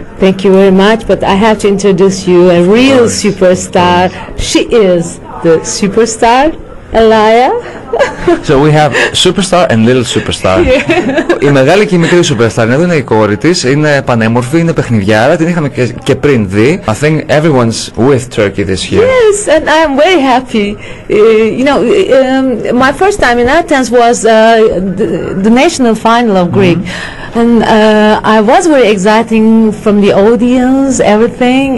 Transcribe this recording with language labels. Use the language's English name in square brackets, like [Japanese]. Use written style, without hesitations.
[English] Thank you very much, but I have to introduce you a real superstar. She is the superstar, Elia. So we have superstar and little superstar. [Greek] Η μεγάλη και η μικρή superstar. Εδώ είναι η κόρη της, είναι πανέμορφη, είναι παιχνιδιάρα. Την είχαμε και πριν δει. [English] I think everyone's with Turkey this year. Yes, and I'm very happy. You know, my first time in Athens was the national final of Greek. And I was very exciting from the audience, everything.